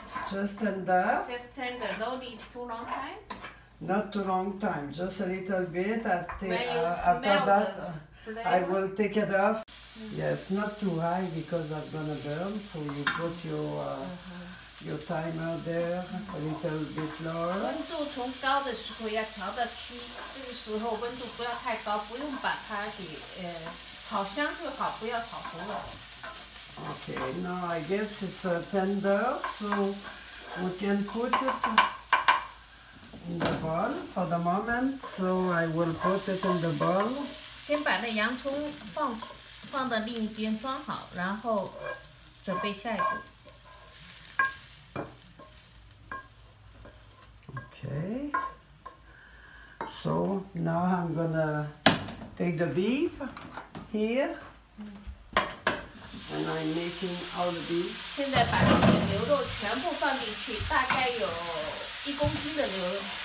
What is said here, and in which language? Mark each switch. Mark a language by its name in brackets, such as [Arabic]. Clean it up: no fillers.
[English] Just tender, don't eat too long time? Not too long time, just a little bit. After that, I will take it off. Yes, not too high because that's gonna burn. So you put your timer there a little bit lower. [Chinese] 温度从高的时候要调到七，这个时候温度不要太高，不用把它给炒香就好，不要炒糊了。 [English] Okay, now I guess it's tender, so we can put it in the bowl for the moment. So I will put it in the bowl. [Chinese] 先把那洋葱放。放到另一边装好，然后准备下一步。 [English] Okay. So now I'm gonna take the beef here, and I'm making all the beef. [Chinese] 现在把这个牛肉全部放进去，大概有一公斤的牛肉。